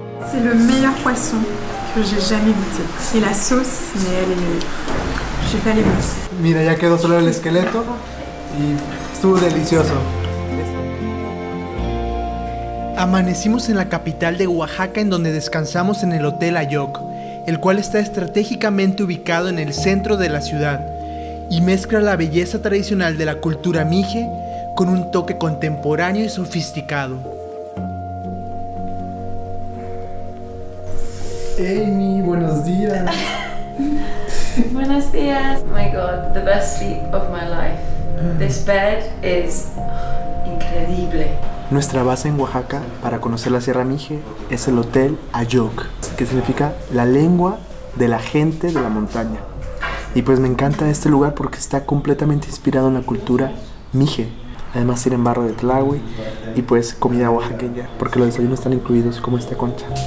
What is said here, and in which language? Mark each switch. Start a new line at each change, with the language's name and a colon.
French: C'est le meilleur poisson que j'ai jamais goûté. Et la sauce, mais elle est meilleure. J'ai pas les mots.
Spanish: Mira, ya quedó solo el esqueleto y estuvo delicioso. Amanecimos en la capital de Oaxaca, en donde descansamos en el Hotel Ayoc, el cual está estratégicamente ubicado en el centro de la ciudad y mezcla la belleza tradicional de la cultura mije con un toque contemporáneo y sofisticado. Amy, buenos días. Buenos días.
English: Oh my God, the best sleep of my life. This bed is
Spanish: increíble. Nuestra base en Oaxaca para conocer la Sierra Mije es el Hotel Ayoc, que significa la lengua de la gente de la montaña. Y pues me encanta este lugar porque está completamente inspirado en la cultura mije. Además tienen barro de tlahui y pues comida oaxaqueña, porque los desayunos están incluidos, como esta concha.